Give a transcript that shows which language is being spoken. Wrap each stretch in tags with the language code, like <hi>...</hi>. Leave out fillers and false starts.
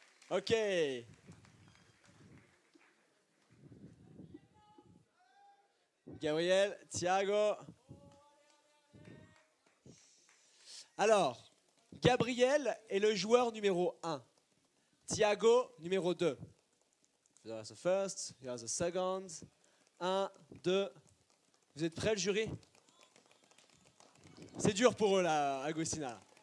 <fr>Ok. Gabriel, Thiago. Alors, Gabriel est le joueur numéro 1. Thiago, numéro 2.</fr> <en>You are the first, you are the second.</en> <fr>1, 2. Vous êtes prêts, le jury? C'est dur pour eux, là, Agostina.</fr>